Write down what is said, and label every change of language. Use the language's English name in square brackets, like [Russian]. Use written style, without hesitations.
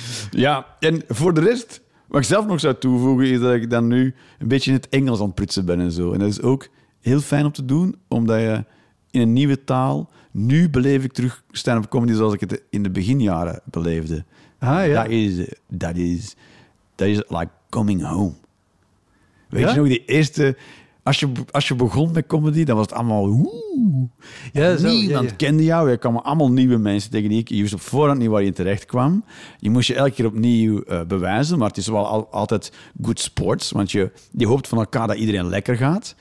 [Dutch] Ja, en voor de rest, wat ik zelf nog zou toevoegen, is dat ik dan nu een beetje in het Engels aan het prutsen ben en zo. En dat is ook heel fijn om te doen, omdat je in een nieuwe taal... Nu beleef ik terug stand-up comedy zoals ik het in de beginjaren beleefde. Ah, ja. [English] That is like coming home. [Dutch] Weet je nog, die eerste... Als je begon met comedy, dan was het allemaal... Ja, niemand kende jou. Er kwamen allemaal nieuwe mensen tegen die. Je wist op voorhand niet waar je terecht kwam. Je moest je elke keer opnieuw bewijzen. Maar het is wel altijd [English] good sports. [Dutch] Want je hoopt van elkaar dat iedereen lekker gaat.